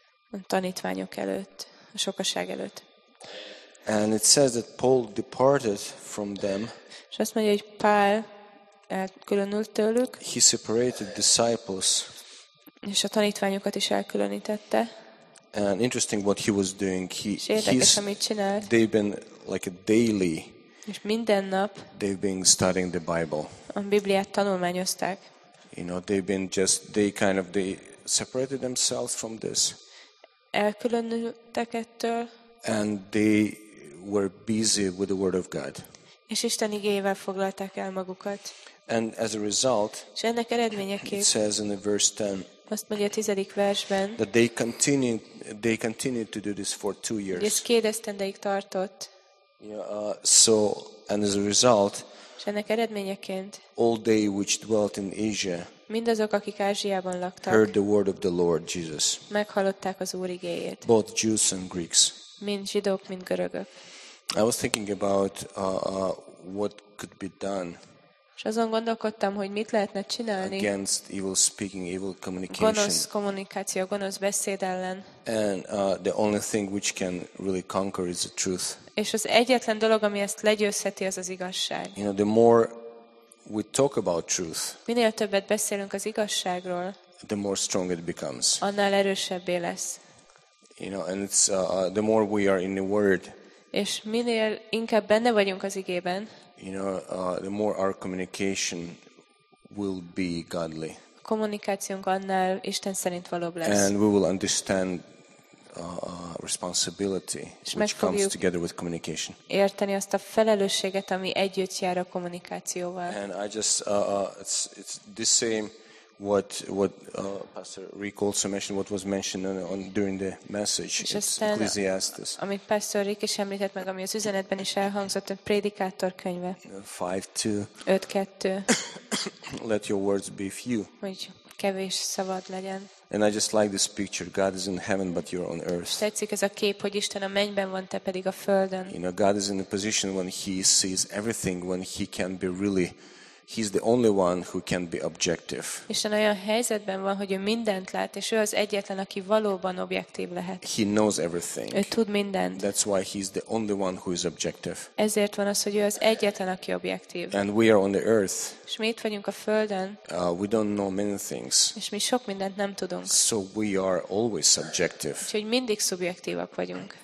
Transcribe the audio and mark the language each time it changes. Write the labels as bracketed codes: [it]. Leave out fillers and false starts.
[hu] A tanítványok előtt, a sokaság előtt. [en] And it says that Paul departed from them. [hu] És azt mondja, hogy Pál elkülönült tőlük. [en] He separated disciples. [hu] És a tanítványokat is elkülönítette. [en] And interesting what he was doing. [hu] Érdekes, amit csinált. [en] They've been like a daily. [hu] És minden nap. [en] They've been studying the Bible. [hu] A Bibliát tanulmányozták. [en] You know, they've been just they separated themselves from this. [hu] Elkülönültek ettől. [en] And they were busy with the word of God. [hu] És Isten igével foglalták el magukat. [en] And as a result, [hu] és ennek eredményeképp, [en] it says in the verse 10, [hu] azt mondja a 10. versben, [en] that they continued to do this for 2 years. [hu] És 2 esztendeig tartott. [en] Yeah, so and as a result, [hu] és ennek eredményeként, [en] all they which dwelt in Asia, [hu] mindazok, akik Ázsiában laktak, [en] heard the word of the Lord Jesus. [hu] Meghallották az Úr igéjét. [en] Both Jews and Greeks. [hu] Mind zsidók, mind görögök. [en] I was thinking about what could be done. [hu] És azon gondolkodtam, hogy mit lehetne csinálni. [en] Against evil speaking, evil communication. [hu] Gonosz kommunikáció, gonosz beszéd ellen. [en] And the only thing which can really conquer is the truth. [hu] És az egyetlen dolog, ami ezt legyőzheti, az az igazság. [en] You know, the more we talk about truth. [hu] Minél többet beszélünk az igazságról. [en] The more strong it becomes. [hu] Annál erősebbé lesz. [en] You know, and it's the more we are in the word. [hu] És minél inkább benne vagyunk az igében. [en] You know, the more our communication will be godly. [hu] Kommunikációnk annál Isten szerint valóbb lesz. [en] And we will understand responsibility, which comes together with communication. [hu] Érteni azt a felelősséget, ami együtt jár a kommunikációval. [en] And I just it's the same what Pastor Rick also mentioned, what was mentioned on during the message. [hu] És [en] it's [hu] aztán, Ecclesiastes. Amit Pastor Rick is említett meg, ami az üzenetben is elhangzott, a Prédikátor könyve. [en] 5:2. Let your words be few. [hu] Hogy kevés szavad legyen. [en] And I just like this picture. God is in heaven, but you're on earth. [hu] Tetszik ez a kép, hogy Isten a mennyben van, te pedig a földön. [en] You know, God is in a position when he sees everything, when he can be really, he's the only one who can be objective. [hu] Isten olyan helyzetben van, hogy ő mindent lát, és ő az egyetlen, aki valóban objektív lehet. [en] He knows everything. [hu] Ő tud mindent. [en] That's why he's the only one who is objective. [hu] Ezért van az, hogy ő az egyetlen, aki objektív. [en] And we are on the earth. [hu] És mi itt vagyunk a földön. [en] We don't know many things. [hu] És mi sok mindent nem tudunk. [en] So we are always subjective. [hu] Úgyhogy mindig szubjektívak vagyunk.